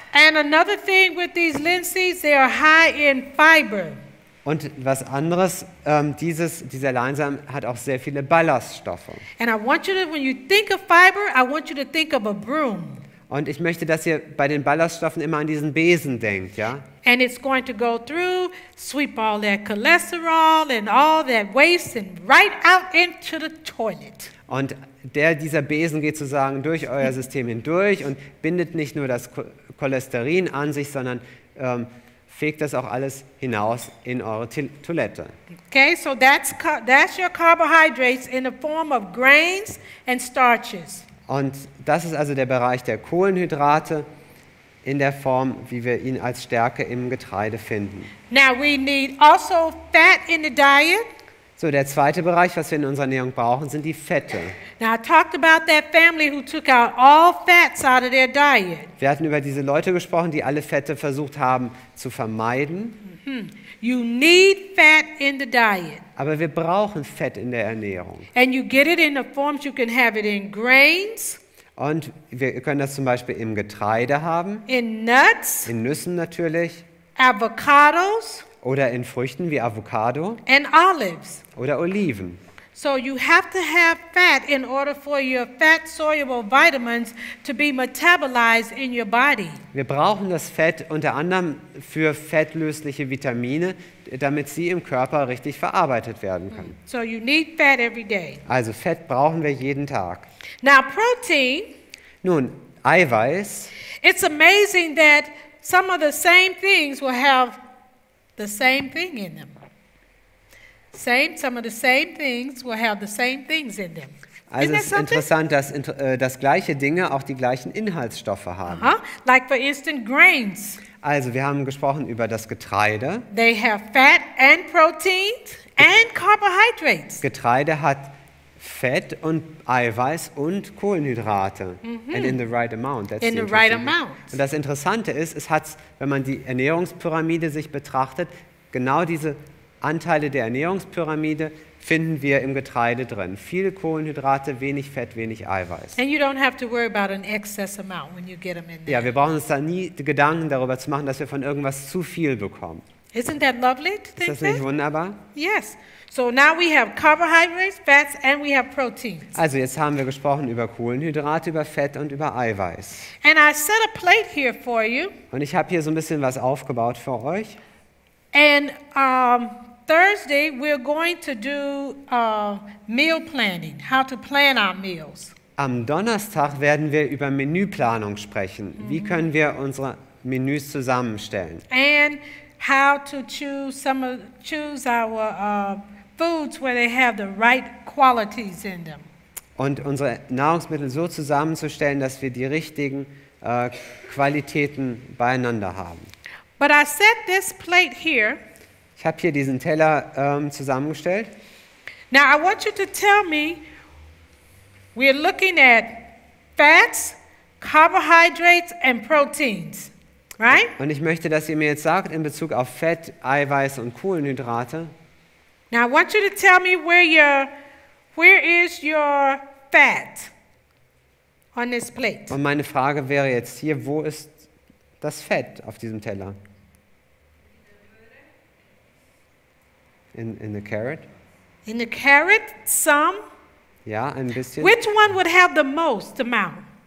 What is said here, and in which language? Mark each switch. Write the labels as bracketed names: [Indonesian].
[English] And another thing with these linseeds, they are high in fiber. [German] Und was anderes, dieser Leinsamen hat auch sehr viele Ballaststoffe. [English] And I want you to, when you think of fiber, I want you to think of a broom. [German] Und ich möchte, dass ihr bei den Ballaststoffen immer an diesen Besen denkt, ja? [English] And it's going to go through, sweep all that cholesterol and all that waste and right out into the toilet. [German] Und dieser Besen geht sozusagen durch euer System hindurch und bindet nicht nur das Cholesterin an sich, sondern fegt das auch alles hinaus in eure Toilette. [English] Okay, so that's your carbohydrates in the form of grains and starches. [German] Und das ist also der Bereich der Kohlenhydrate in der Form, wie wir ihn als Stärke im Getreide finden. [English] Now we need also fat in the diet. [German] So, der zweite Bereich, was wir in unserer Ernährung brauchen, sind die Fette. [English] Now I talked about that family who took out all fats out of their diet. [German] Wir hatten über diese Leute gesprochen, die alle Fette versucht haben zu vermeiden. [English] Mm-hmm. You need fat in the diet. [German] Aber wir brauchen Fett in der Ernährung. [English] And you get it in the forms you can have it in grains. [German] Und wir können das zum Beispiel im Getreide haben. [English] In nuts. [German] In Nüssen natürlich. [English] Avocados. [German] Oder in Früchten wie Avocado. [English] And olives. [German] Oder Oliven. [English] So you have to have fat in order for your fat soluble vitamins to be metabolized in your body. [German] Wir brauchen das Fett unter anderem für fettlösliche Vitamine, damit sie im Körper richtig verarbeitet werden können. [English] So you need fat every day. [German] Also Fett brauchen wir jeden Tag. [English] Now protein. [German] Nun Eiweiß. [English] It's amazing that some of the same things will have the same thing in them. Some of the same things will have the same things in them. [German] Also es ist interessant, dass gleiche Dinge auch die gleichen Inhaltsstoffe haben. [English] Uh-huh. Like for instance grains. [German] Also wir haben gesprochen über das Getreide. [English] They have fat and proteins and carbohydrates. [German] Getreide hat Fett und Eiweiß und Kohlenhydrate. Mm-hmm. [English] And in the right amount. That's in the right amount. [German] Und das Interessante ist, es hat, wenn man die Ernährungspyramide sich betrachtet, genau diese Anteile der Ernährungspyramide, finden wir im Getreide drin. Viele Kohlenhydrate, wenig Fett, wenig Eiweiß. [English] And you don't have to worry about an excess amount when you get them in there. [German] Ja, wir brauchen uns da nie Gedanken darüber zu machen, dass wir von irgendwas zu viel bekommen. [English] Isn't that lovely to think? [German] Ist das nicht wunderbar? [English] Yes. So now we have carbohydrates, fats and we have proteins. [German] Also jetzt haben wir gesprochen über Kohlenhydrate, über Fett und über Eiweiß. [English] And I set a plate here for you. [German] Und ich habe hier so ein bisschen was aufgebaut für euch. [English] And Thursday we're going to do meal planning, how to plan our meals. [German] Am Donnerstag werden wir über Menüplanung sprechen. Mm-hmm. Wie können wir unsere Menüs zusammenstellen? [English] And how to choose our foods where they have the right qualities in them. [German] Und unsere Nahrungsmittel so zusammenzustellen, dass wir die richtigen Qualitäten beieinander haben. [English] But I set this plate here. [German] Ich habe hier diesen Teller zusammengestellt. [English] Now I want you to tell me, we're looking at fats, carbohydrates and proteins, right? [German] Und ich möchte, dass ihr mir jetzt sagt in Bezug auf Fett, Eiweiß und Kohlenhydrate. [English] Now I want you to tell me where is your fat on this plate? [German] Und meine Frage wäre jetzt hier, wo ist das Fett auf diesem Teller? [English] In the carrot? In the carrot, some? [German] Ja, ein bisschen. [English] Which one would have the most amount?